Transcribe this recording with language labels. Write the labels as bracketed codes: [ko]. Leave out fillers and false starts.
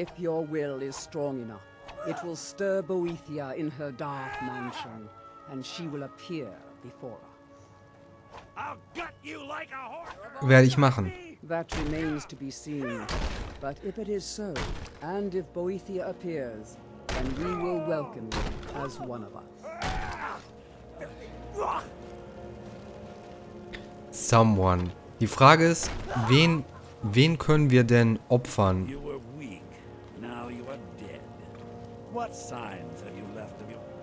[en] If your will is strong enough, it will stir Boethia in her dark mansion, and she will appear before us. I'll gut you like a horse. [de] Werde ich machen. [en] That remains to be seen. But if it is so, and if Boethia appears, then we will welcome you as one of us. Someone. [de] Die Frage ist, wen können wir denn opfern? [en] You were weak. Now you are dead. What signs have you left of your...